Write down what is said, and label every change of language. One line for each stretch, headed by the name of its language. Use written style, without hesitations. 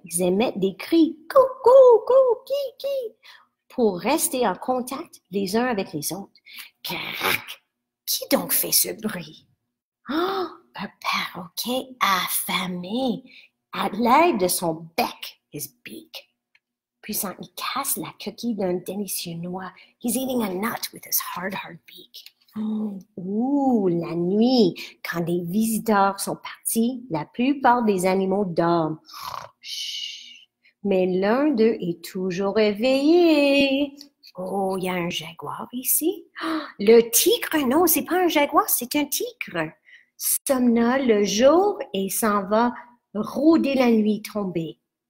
French: Ils émettent des cris « coucou, coucou, qui, qui » pour rester en contact les uns avec les autres. Crac! Qui donc fait ce bruit? Oh, un perroquet affamé. À l'aide de son bec,
English: his beak.
French: Puissant, il casse la coquille d'un délicieux noix.
English: He's eating a nut with his hard, hard beak.
French: Ouh, la nuit, quand les visiteurs sont partis, la plupart des animaux dorment. Mais l'un d'eux est toujours éveillé. Oh, il y a un jaguar ici. Le tigre, non, c'est pas un jaguar, c'est un tigre. Somnole le jour et s'en va rôder la nuit tombée.